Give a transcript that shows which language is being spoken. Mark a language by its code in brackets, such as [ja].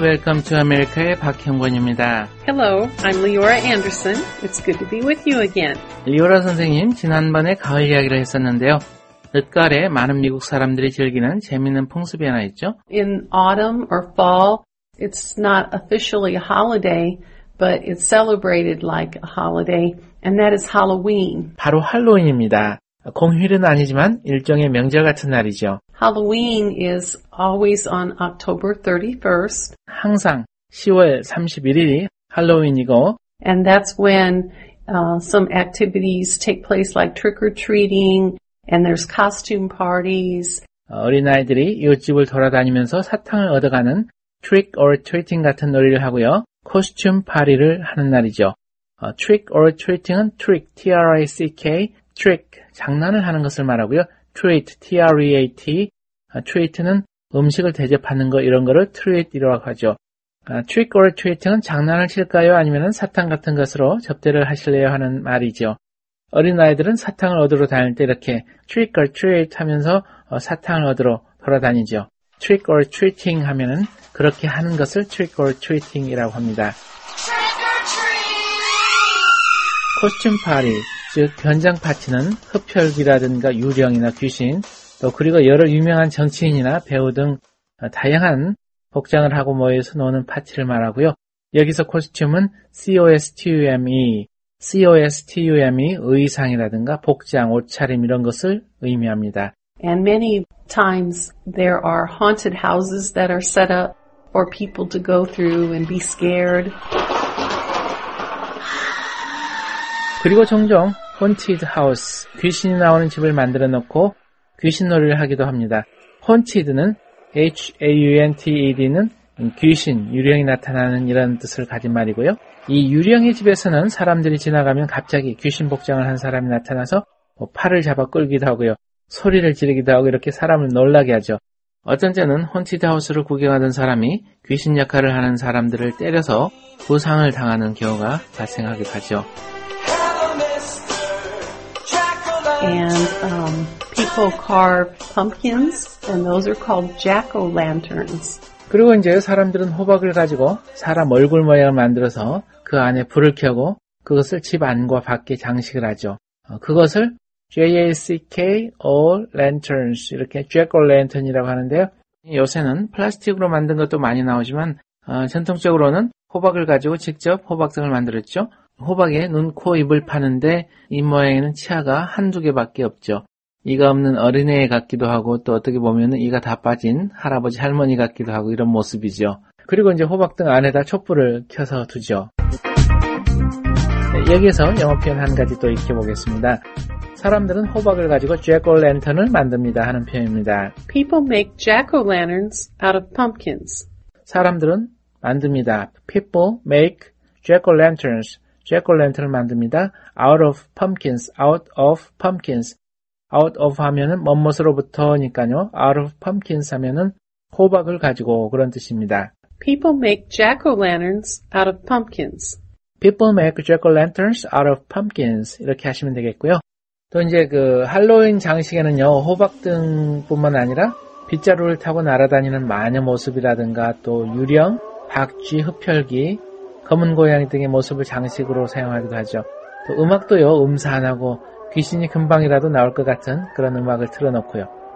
[ko] Welcome to America의 박형권입니다. [en] Hello, I'm Leora Anderson. It's good to be with you again. [ko] Leora 선생님, 지난번에 가을 이야기를 했었는데요. 늦가을에 많은 미국 사람들이 즐기는 재미있는 풍습이 하나 있죠. [en] In autumn or fall, it's not officially a holiday, but it's celebrated like a holiday, and that is Halloween. [ko] 바로 할로윈입니다. 공휴일은 아니지만 일종의 명절 같은 날이죠. [en] Halloween is always on October 31st. [ko] 항상 10월 31일이 할로윈이고. [en] And that's when some activities take place like trick-or-treating and there's costume parties. [ko] 어린아이들이 이웃집을 돌아다니면서 사탕을 얻어가는 trick-or-treating 같은 놀이를 하고요. 코스튬 파티를 하는 날이죠. trick-or-treating은 trick, T-R-I-C-K, trick, 장난을 하는 것을 말하고요. treat, T-R-E-A-T, treat는 음식을 대접하는 것, 이런 것을 treat이라고 하죠. trick or treating은 장난을 칠까요? 아니면 사탕 같은 것으로 접대를 하실래요? 하는 말이죠. 어린아이들은 사탕을 얻으러 다닐 때 이렇게 trick or treat 하면서 사탕을 얻으러 돌아다니죠. trick or treating 하면은 그렇게 하는 것을 trick or treating이라고 합니다. [en] trick or treat! [ko] 코스튬 파티, 즉 현장 파티는 흡혈귀라든가 유령이나 귀신, 또 그리고 여러 유명한 정치인이나 배우 등 다양한 복장을 하고 모여서 노는 파티를 말하고요. 여기서 코스튬은 costume, costume, 의상이라든가 복장, 옷차림 이런 것을 의미합니다. [en] And many times there are haunted houses that are set up for people to go through and be scared. [ko] 그리고 종종 haunted house, 귀신이 나오는 집을 만들어 놓고 귀신 놀이를 하기도 합니다. Haunted는 H-A-U-N-T-E-D는 귀신, 유령이 나타나는 이런 뜻을 가진 말이고요. 이 유령의 집에서는 사람들이 지나가면 갑자기 귀신 복장을 한 사람이 나타나서 뭐 팔을 잡아 끌기도 하고요. 소리를 지르기도 하고 이렇게 사람을 놀라게 하죠. 어떤 때는 Haunted House를 구경하던 사람이 귀신 역할을 하는 사람들을 때려서 부상을 당하는 경우가 발생하기도 하죠. [en] And people carve pumpkins, and those are called jack-o'-lanterns. [ko] 그리고 이제 사람들은 호박을 가지고 사람 얼굴 모양을 만들어서 그 안에 불을 켜고 그것을 집 안과 밖에 장식을 하죠. 그것을 jack-o'-lanterns, 이렇게 jack-o'-lantern이라고 하는데요. 요새는 플라스틱으로 만든 것도 많이 나오지만 전통적으로는 호박을 가지고 직접 호박등을 만들었죠. 호박에 눈, 코, 입을 파는데 입 모양에는 치아가 한두 개밖에 없죠. 이가 없는 어린애 같기도 하고 또 어떻게 보면 이가 다 빠진 할아버지, 할머니 같기도 하고 이런 모습이죠. 그리고 이제 호박등 안에다 촛불을 켜서 두죠. 네, 여기에서 영어 표현 한 가지 또 익혀보겠습니다. 사람들은 호박을 가지고 jack-o'-lantern을 만듭니다 하는 표현입니다. [en] People make jack-o'-lanterns out of pumpkins. [ko] 사람들은 만듭니다. [en] People make jack-o'-lanterns. [ko] Jack-o'-lantern을 만듭니다. [en] Out of pumpkins. Out of pumpkins. [ko] Out of 하면은 뭐뭐으로부터니까요. [en] Out of pumpkins [ko] 하면은 호박을 가지고 그런 뜻입니다. [en] People make jack-o'-lanterns out of pumpkins. People make jack-o'-lanterns out of pumpkins. [ko] 이렇게 하시면 되겠고요. 또 이제 그 할로윈 장식에는요. 호박등뿐만 아니라 빗자루를 타고 날아다니는 마녀 모습이라든가 또 유령, 박쥐, 흡혈귀, 검은 고양이 등의 모습을 장식으로 사용하기도 하죠. 또 음악도요, 음산하고 귀신이 금방이라도 나올 것 같은 그런 음악을 틀어놓고요.